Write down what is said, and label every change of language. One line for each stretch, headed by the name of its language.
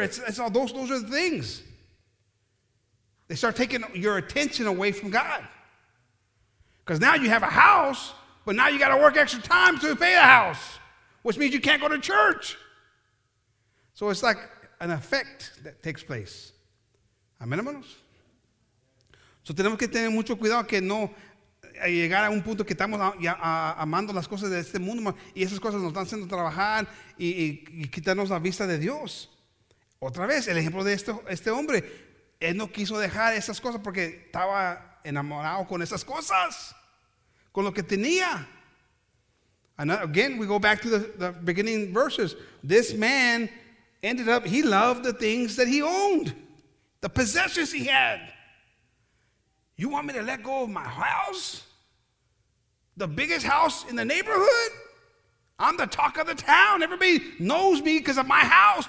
English: It's all those are the things. They start taking your attention away from God. Because now you have a house, but now you got to work extra time to pay the house, which means you can't go to church. So it's like an effect that takes place.
Spanish: Amén, hermanos. So tenemos que tener mucho cuidado que no llegar a un punto que estamos amando las cosas de este mundo y esas cosas nos están haciendo trabajar y quitarnos la vista de Dios. Otra vez, el ejemplo de este hombre. Él no quiso dejar esas cosas porque estaba enamorado con esas cosas, con lo que tenía.
English: And again, we go back to the beginning verses. This man ended up, he loved the things that he owned, the possessions he had. You want me to let go of my house? The biggest house in the neighborhood? I'm the talk of the town. Everybody knows me because of my house.